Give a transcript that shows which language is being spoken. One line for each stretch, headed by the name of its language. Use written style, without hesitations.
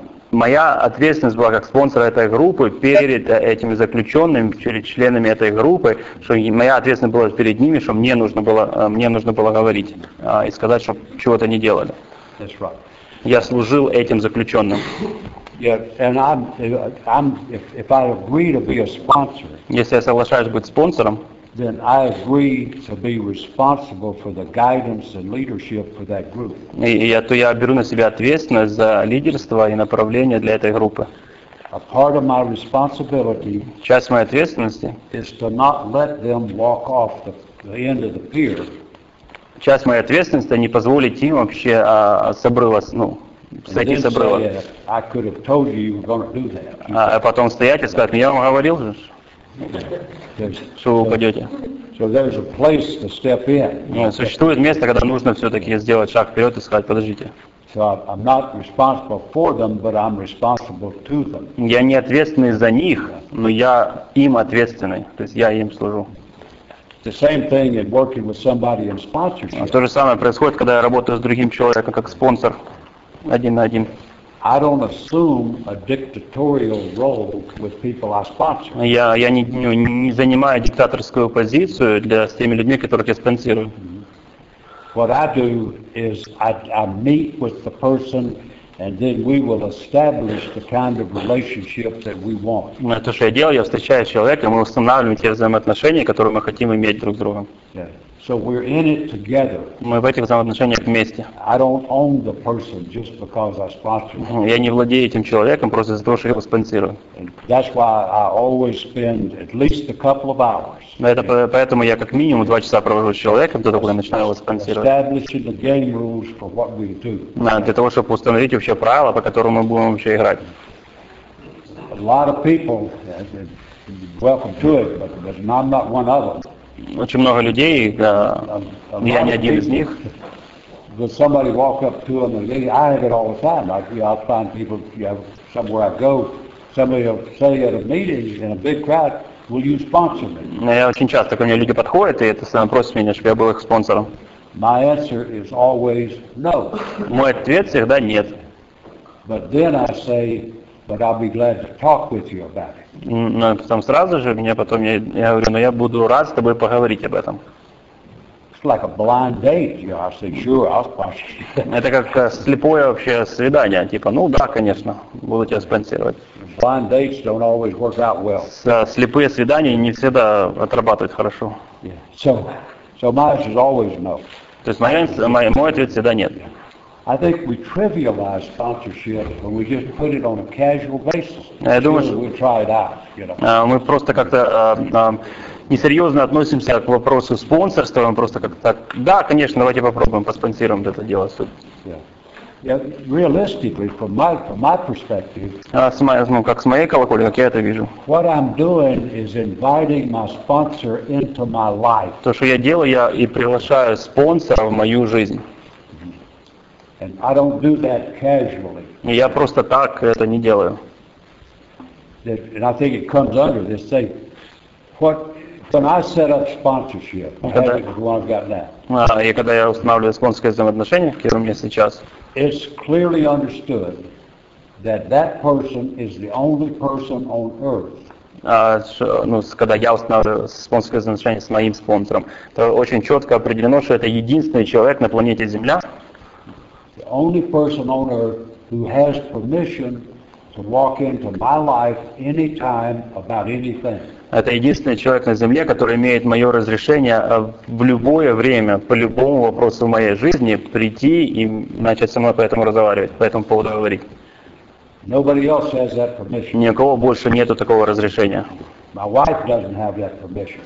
Russian: Моя ответственность была как спонсора этой группы перед этим заключенным, перед членами этой группы, что моя ответственность была перед ними, что мне нужно было говорить и сказать, чтобы чего-то не делали.
English: That's right.
Russian: Я служил этим заключенным.
English: Yeah, and if I agree to be a sponsor,
Russian: если я соглашаюсь быть спонсором,
English: then I agree to be responsible for the guidance and leadership for that group.
Russian: Я беру на себя ответственность за лидерство и направление для этой группы.
English: A part of my responsibility,
Russian: часть моей ответственности,
English: is to not let them walk off the end of the pier.
Russian: Часть моей ответственности не позволить им вообще сойти с обрыва.
English: I could have told you were going to do that.
Russian: А потом стоять и сказать, ну я вам говорил же. Что вы упадете.
English: So there's a place to step in.
Russian: Нет, существует место, когда нужно все-таки сделать шаг вперед и сказать, подождите.
English: So I'm not responsible for them, but I'm responsible to them.
Russian: Я не ответственный за них, но я им ответственный. То есть я им служу.
English: The same thing in working with somebody in sponsorship.
Russian: То же самое происходит, когда я работаю с другим человеком как спонсор один на один.
English: I don't assume a dictatorial role with people I sponsor.
Russian: Я не занимаю диктаторскую позицию для с теми людьми, которых я спонсирую.
English: What I do is I meet with the person, and then we will establish the kind of relationship that we want.
Russian: Ну, то, что я делаю, я встречаю человека, мы устанавливаем те взаимоотношения, которые мы хотим иметь друг с другом.
English: So we're in it together.
Russian: Мы в этих взаимоотношениях вместе.
English: I don't own the person just because I sponsor him.
Russian: Я не владею этим человеком просто из-за того, что я его спонсирую.
English: That's why I always spend at least a couple of hours.
Russian: Это поэтому я как минимум 2 часа провожу с человеком, до того, как я начинаю его спонсировать.
English: Establishing the game rules for what we do.
Russian: Для того, чтобы установить вообще правила, по которым мы будем вообще играть.
English: A lot of people welcome to it, but I'm not one of them.
Russian: Очень много людей, я не один из них.
English: When somebody walk up to them, and they, I have it all the time. I'll find people, somewhere I go, somebody will say at a meeting in a big crowd, will you sponsor me?
Russian: Я очень часто, ко мне люди подходят, и это сам просят меня, чтобы я был их спонсором.
English: My answer is always no.
Russian: Мой ответ всегда нет.
English: But then I say, but I'll be glad to talk with you about it.
Russian: Ну, потом сразу же мне потом я говорю, я буду рад с тобой поговорить об этом.
English: It's like a blind date. You know, I say, sure, I'll sponsor you.
Russian: Это как слепое вообще свидание, типа, ну да, конечно, буду тебя спонсировать.
English: Blind dates don't always work out well.
Russian: Слепые свидания не всегда отрабатывают хорошо.
English: Yeah. So my answer is always no.
Russian: То есть мой ответ всегда нет.
English: I think we trivialize sponsorship when we just put it on a casual basis.
Russian: Я думаю,
English: we try it out,
Russian: мы просто как-то несерьезно относимся к вопросу спонсорства, мы просто как-то так, да, конечно, давайте попробуем поспонсируем это дело.
English: Yeah. Realistically, from my perspective,
Russian: как с моей колокольни, как я это вижу.
English: What I'm doing is inviting my sponsor into my life.
Russian: То, что я делаю, я и приглашаю спонсора в мою жизнь.
English: And I don't do that casually.
Russian: Я просто так это не делаю.
English: And I think it comes under this thing. When I set up sponsorship,
Russian: когда я устанавливаю спонсорские взаимоотношения, какие у меня сейчас,
English: it's clearly understood that that person is the only person on earth.
Russian: Когда я устанавливаю спонсорские взаимоотношения с моим спонсором, то очень четко определено, что это единственный человек на планете Земля.
English: The only person on earth who has permission to walk into my life anytime about anything.
Russian: Это единственный человек на Земле, который имеет мое разрешение в любое время, по любому вопросу в моей жизни, прийти и начать со мной по этому разговаривать, по этому поводу говорить.
English: Nobody else has that permission.
Russian: Ни у кого больше нету такого разрешения.
English: My wife doesn't have that permission.